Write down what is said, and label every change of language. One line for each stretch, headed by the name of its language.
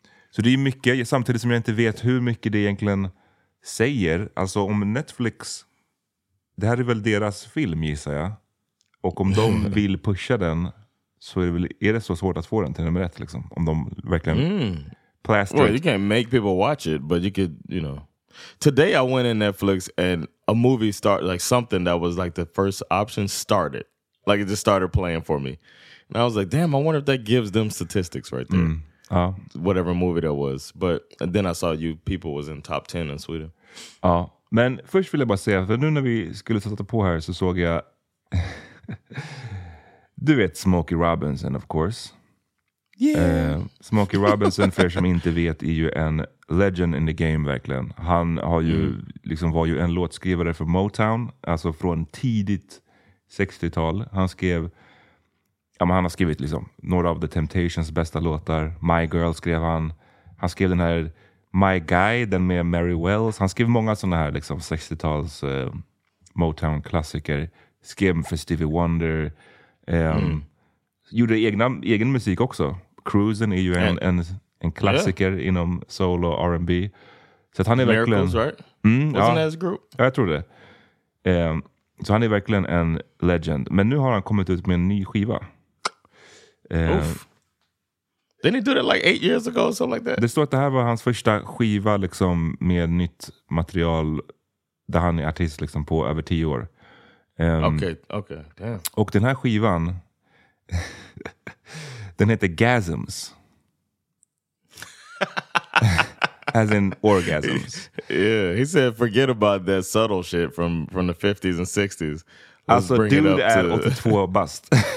Swedish: Så det är mycket, samtidigt som jag inte vet hur mycket det egentligen säger. Alltså om Netflix, det här är väl deras film, gissar jag. Och om de vill pusha den, så är det, väl, är det så svårt att få den till nummer ett, liksom. Om de verkligen plaster.
English: Well, you can't make people watch it, but you could, you know. Today I went in Netflix and a movie started, like something that was like the first option started. Like it just started playing for me. And I was like, damn, I wonder if that gives them statistics right there. Whatever movie that was. But then I saw You People was in top 10 in Sweden.
Swedish: Ja, men först vill jag bara säga, för nu när vi skulle sätta på här så såg jag... du vet Smokey Robinson,
English: of course. Yeah.
Swedish: Smokey Robinson, för som inte vet, är ju en legend
English: in the game,
Swedish: verkligen. Han har ju liksom var ju en låtskrivare för Motown. Alltså från tidigt 60-tal. Han skrev... Ja, men han har skrivit liksom några av The Temptations bästa låtar. My Girl skrev han. Han skrev den här My Guy, den med Mary Wells. Han skrev många sådana här liksom 60-tals Motown-klassiker. Skrev för Stevie Wonder. Gjorde egen musik också. Cruisin' är ju en klassiker inom soul och R&B. Så att han är Miracles, verkligen...
English: right? Wasn't that his group?
Swedish: Ja, jag tror det. Så han är verkligen en legend. Men nu har han kommit ut med en ny skiva.
English: Didn't he do that like 8 years ago or something like that?
Swedish: Det står att det här var hans första skiva liksom med nytt material där han är artist liksom på över 10 år.
English: Damn.
Swedish: Och den här skivan den heter Gasms.
English: As in orgasms. Yeah, he said forget about that subtle shit from the 50s and 60s. Let's
Swedish: alltså
English: dude
Swedish: är 82 bast.